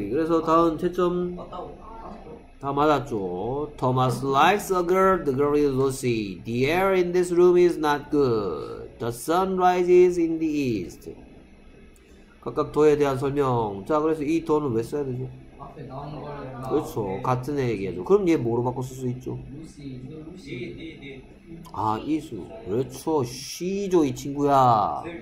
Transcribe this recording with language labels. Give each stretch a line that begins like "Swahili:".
Korean: 그래서 다음 채점 다 맞았죠.
English: Thomas likes a girl. The girl is Lucy. The air in this room is not good. The sun rises in the east.
Korean: 각각 더에 대한 설명. 자, 그래서 이 더는 왜 써야 되죠? 앞에 나오는 거랑 그렇죠. 같은 얘기죠. 그럼 얘 뭐로 바꿔 쓸 수 있죠?
English: Lucy.
Korean: 아, 이수. 그렇죠. She죠, 이 친구야.